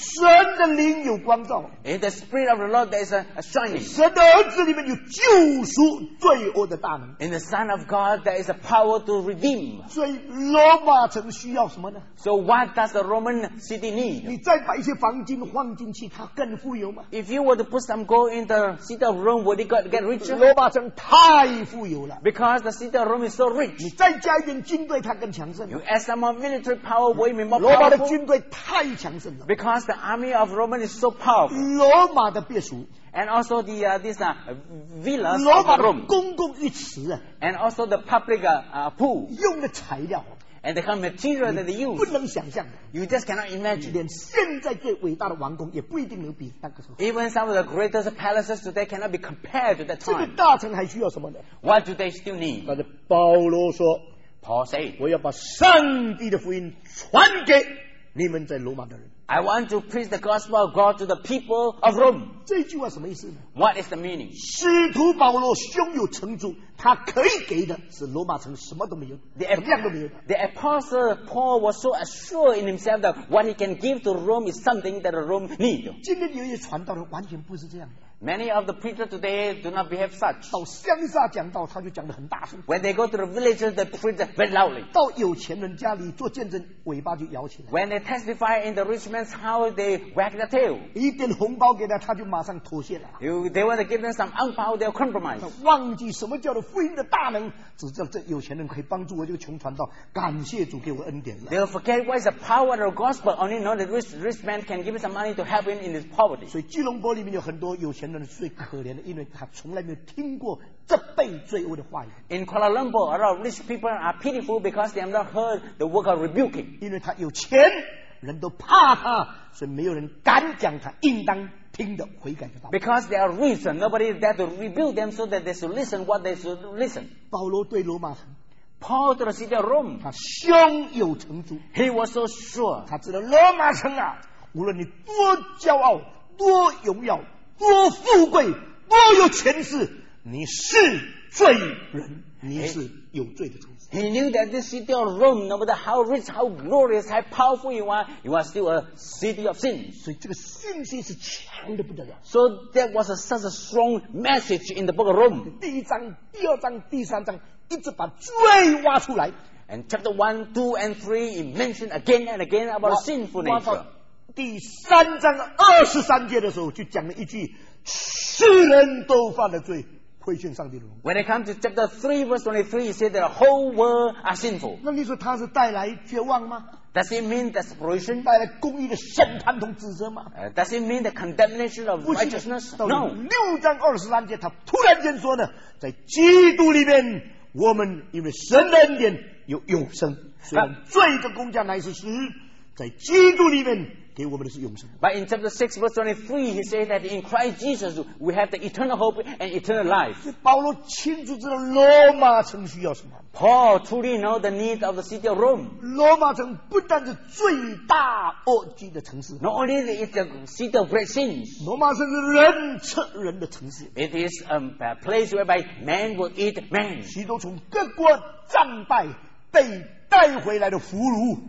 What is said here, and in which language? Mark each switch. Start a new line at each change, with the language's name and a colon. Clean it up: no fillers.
Chinese: 神的灵有光照。
English: In the spirit of the Lord, there's a shining.
Chinese: 神的儿子里面有救赎罪恶的大能。
English: In the Son of God, there is a power to redeem.
Chinese: 所以罗马城需要什么呢？
English: So what does the Roman city need?
Chinese: 你再把一些黄金换进去，它更富有吗？
English: If you were to put some gold in the city of Rome, would it get richer?
Chinese: 罗马城太富有了。
English: Because the city of Rome is so rich.
Chinese: 你再加一点军队，它更强盛。
English: You add some more military power, would it be more powerful?
Chinese: 罗马的军队太强盛了。
English: Because the army of Roman is so powerful.
Chinese: 罗马的别墅。
English: And also the this villa,
Chinese: 罗马的公共浴池。
English: And also the public pool.
Chinese: 用的材料。
English: And the kind of material that they use.
Chinese: 不能想象的。
English: You just cannot imagine.
Chinese: 连现在最伟大的王宫也不一定能比那个时候。
English: Even some of the greatest palaces today cannot be compared to that time.
Chinese: 这个大城还需要什么呢？
English: What do they still need?
Chinese: 但是保罗说，
English: Paul said,
Chinese: 我要把上帝的福音传给你们在罗马的人。
English: I want to preach the gospel of God to the people of Rome.
Chinese: 这句话什么意思呢？
English: What is the meaning?
Chinese: 使徒保罗胸有成竹，他可以给的是罗马城什么都没有，什么样都没有。
English: The apostle Paul was so assured in himself that what he can give to Rome is something that Rome needs.
Chinese: 今天有些传道人完全不是这样的。
English: Many of the preachers today do not behave such.
Chinese: 到乡下讲道，他就讲得很大声。
English: When they go to the villages, they preach very loudly.
Chinese: 到有钱人家里做见证，尾巴就摇起来。
English: When they testify in the rich man's house, they wag their tail.
Chinese: 一点红包给他，他就马上妥协了。
English: If they want to give them some 红包, they'll compromise.
Chinese: 忘记什么叫做福音的大能，只知道这有钱人可以帮助我这个穷传道，感谢主给我恩典了。
English: They'll forget what is the power of the gospel, only know that rich man can give some money to help him in his poverty.
Chinese: 所以基隆坡里面有很多有钱人。最可怜的，因为他从来没有听过责备罪恶的话语。
English: In Kuala Lumpur, a lot of rich people are pitiful because they have not heard the word of rebuking.
Chinese: 因为他有钱，人都怕他，所以没有人敢讲他应当听的悔改的道。
English: Because they are rich, nobody dare to rebuke them so that they should listen what they should listen.
Chinese: 保罗对罗马人。
English: Paul to the city of Rome.
Chinese: 他胸有成竹。
English: He was so sure.
Chinese: 他知道罗马城啊，无论你多骄傲，多荣耀。多富贵，多有权势，你是罪人，你是有罪的城市。
English: He knew that this city of Rome, no matter how rich, how glorious, how powerful you are still a city of sin.
Chinese: 所以这个信心是强的不得了。
English: So that was such a strong message in the book of Rome.
Chinese: 第一章、第二章、第三章，一直把罪挖出来。
English: And chapter 1, 2, and 3, it mentioned again and again about the sinful nature.
Chinese: 第三章二十三节的时候，就讲了一句：世人都犯了罪，亏欠上帝的荣。
English: When it comes to chapter 3 verse 23, it says that the whole world are sinful.
Chinese: 那你说他是带来绝望吗？
English: Does it mean desperation?
Chinese: 带来公义的审判同指责吗？
English: Does it mean the condemnation of righteousness? No.
Chinese: 六章二十三节，他突然间说呢，在基督里面，我们因为神的恩典有永生。虽然罪的工价乃是死，在基督里面。给我们的是永生。
English: But in chapter 6 verse 23 he says that in Christ Jesus we have the eternal hope and eternal life.
Chinese: 保罗清楚知道罗马城需要什么。
English: Paul truly knows the need of the city of Rome.
Chinese: 罗马城不但是罪大恶极的城市。
English: Not only is it the city of great sins.
Chinese: 罗马城是人吃人的城市。
English: It is a place whereby man will eat man.
Chinese: 许多从各国战败被带回来的俘虏。